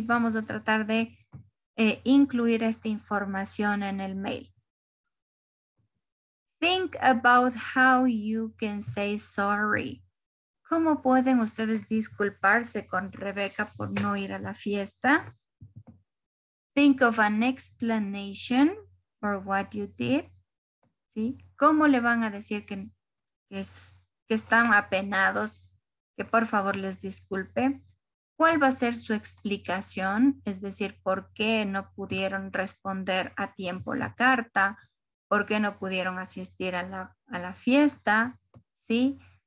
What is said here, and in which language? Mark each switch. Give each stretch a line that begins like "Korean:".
Spanish: Vamos a tratar de incluir esta información en el mail.
English: Think about how you can say sorry.
Spanish: ¿Cómo pueden ustedes disculparse con Rebecca por no ir a la fiesta?
English: Think of an explanation for what you did.
Spanish: ¿Sí? ¿Cómo le van a decir que están apenados? Que por favor les disculpe. ¿Cuál va a ser su explicación? Es decir, ¿por qué no pudieron responder a tiempo la carta? ¿Por qué no pudieron asistir a la fiesta? ¿Sí?